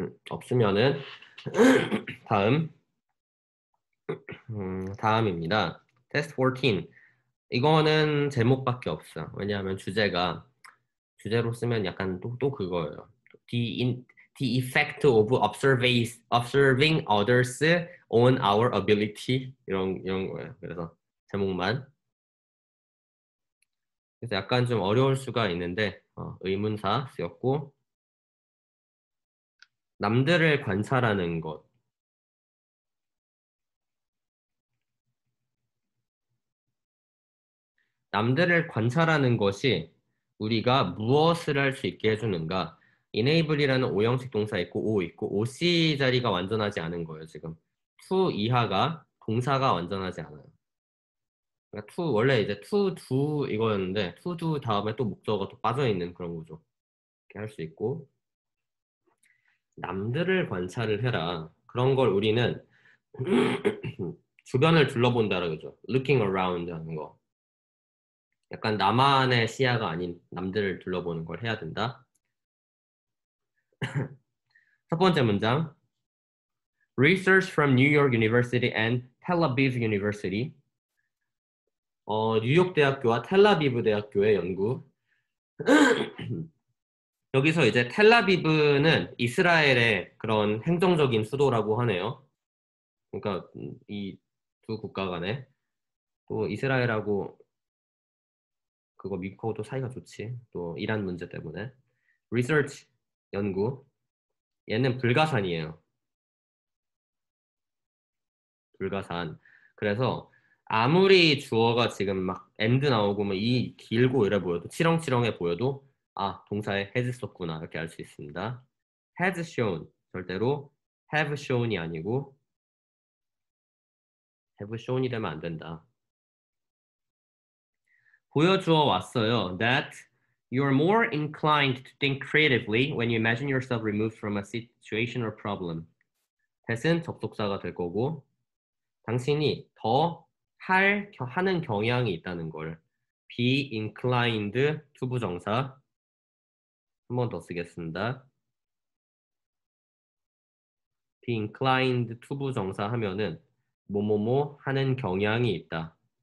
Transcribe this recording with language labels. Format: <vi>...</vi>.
<ko>없으면은 다음입니다. 테스트 14. 이거는 제목밖에 없어. 왜냐하면 주제로 쓰면 약간 또 그거예요.</ko> <en>The effect of observing others on our ability</en> <ko>이런 거예요. 그래서 제목만. 그래서 약간 좀 어려울 수가 있는데 의문사 쓰였고 남들을 관찰하는 것. 남들을 관찰하는 것이 우리가 무엇을 할수 있게 해주는가? enable이라는 오형식 동사 있고 o 있고 OC 자리가 완전하지 않은 거예요 지금 to 이하가 동사가 완전하지 않아요 그러니까 to 원래 이제 to do 이거였는데 to do 다음에 또 목적어가 또 빠져있는 그런 거죠 이렇게 할수 있고 남들을 관찰을 해라 그런 걸 우리는 주변을 둘러본다 그러죠</ko> <en>looking around</en> <ko>하는 거 약간 나만의 시야가 아닌 남들을 둘러보는 걸 해야 된다 첫 번째 문장.</ko> <en>Research from New York University and Tel Aviv University.</en> <ko>뉴욕 대학교와 텔아비브 대학교의 연구. 여기서 이제 텔아비브는 이스라엘의 그런 행정적인 수도라고 하네요. 그러니까 이두 국가 간에 또 이스라엘하고 그거 미국하고도 사이가 좋지. 또 이란 문제 때문에. Research 연구. 얘는 불가산이에요. 불가산. 그래서 아무리 주어가 지금 막 end 나오고 뭐이 길고 이래 보여도 치렁치렁해 보여도 아, 동사에 has 썼구나 이렇게 알수 있습니다. has shown 절대로 have shown이 아니고 have shown이 되면 안 된다. 보여주어 왔어요.</ko> <en>That You're more inclined to think creatively when you imagine yourself removed from a situation or problem.</en> <ko>That은 접속사가 될 거고, 당신이 더 하는 경향이 있다는 걸.</ko> <en>Be inclined to</en> <ko>부정사. 한번더 쓰겠습니다.</ko> <en>Be inclined to</en> <ko>부정사 하면은, 뭐뭐뭐 하는 경향이 있다.</ko>